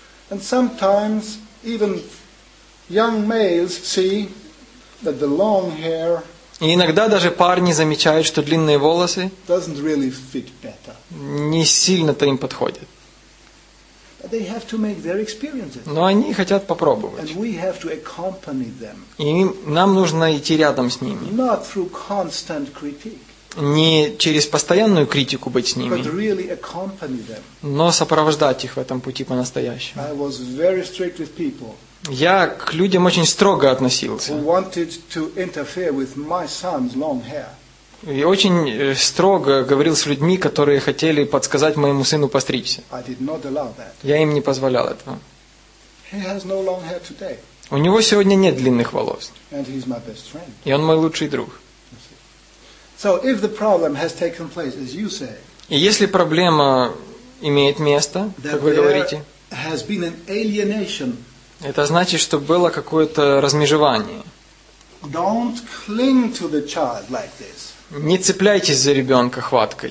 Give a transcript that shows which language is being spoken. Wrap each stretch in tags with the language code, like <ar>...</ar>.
<en>And sometimes even young males see that the long hair,</en> <ru>и иногда даже парни замечают, что длинные волосы</ru> <en>doesn't really fit better.</en> <ru>Не сильно-то им подходят.</ru> <en>They have to make their experiences.</en> <ru>Но они хотят попробовать.</ru> <en>And we have to accompany them.</en> <ru>И нам нужно идти рядом с ними.</ru> <en>Not through constant critique.</en> <ru>Не через постоянную критику быть с ними.</ru> <en>But really accompany them.</en> <ru>Но сопровождать их в этом пути по-настоящему.</ru> <en>I was very strict with people.</en> <ru>Я к людям очень строго относился.</ru> <en>Who wanted to interfere with my son's long hair.</en> <ru>И очень строго говорил с людьми, которые хотели подсказать моему сыну постричься. Я им не позволял этого.</ru> <en>He has no long hair today.</en> <ru>У него сегодня нет длинных волос.</ru> <en>And he's my best friend.</en> <ru>И он мой лучший друг.</ru> <en>So if the problem has taken place, as you say,</en> <ru>и если проблема имеет место, как вы говорите,</ru> <en>has been an alienation,</en> <ru>это значит, что было какое-то размежевание.</ru> <en>Don't cling to the child like this.</en> <ru>Не цепляйтесь за ребенка хваткой</ru>